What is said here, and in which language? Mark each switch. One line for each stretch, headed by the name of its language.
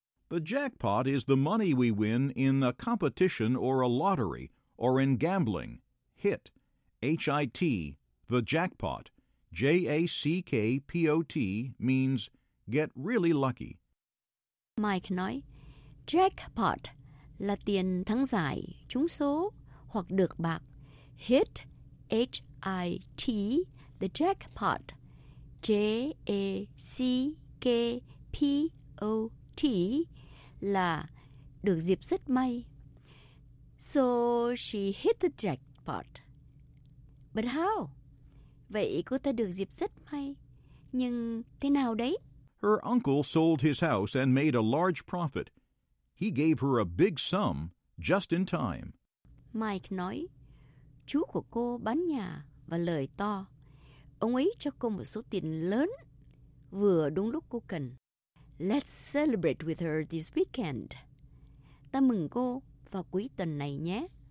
English: The jackpot is the money we win in a competition or a lottery or in gambling. Hit. H-I-T, the jackpot, J-A-C-K-P-O-T, means get really lucky.
Vietnamese: Mike nói, jackpot là tiền thắng giải, trúng số, hoặc được bạc.
English: Hit, H-I-T, the jackpot, J-A-C-K-P-O-T.
Vietnamese: P-O-T là được dịp rất may.
English: So she hit the jackpot. But how?
Vietnamese: Vậy cô ta được dịp rất may. Nhưng thế nào đấy?
English: Her uncle sold his house and made a large profit. He gave her a big sum just in time.
Vietnamese: Mike nói, chú của cô bán nhà và lời to. Ông ấy cho cô một số tiền lớn vừa đúng lúc cô cần.
English: Let's celebrate with her this weekend.
Vietnamese: Ta mừng cô vào cuối tuần này nhé.